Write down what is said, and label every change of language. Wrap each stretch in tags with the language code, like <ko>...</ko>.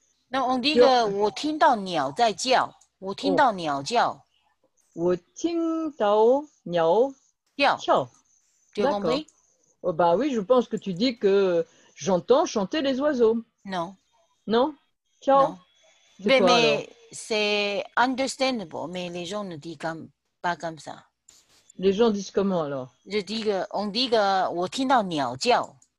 <zh>No, on did a what in Dao Niao, that jiao. 我听到鸟叫。我听到鸟叫。</zh> <fr>D'accord. Oh, bah oui, je pense que tu dis que j'entends chanter les oiseaux. Non. Non? Ciao. Mais c'est understandable, mais les gens ne disent pas comme ça. Les gens disent comment alors? Je dis que, on dit que 我听到鸟叫.</fr>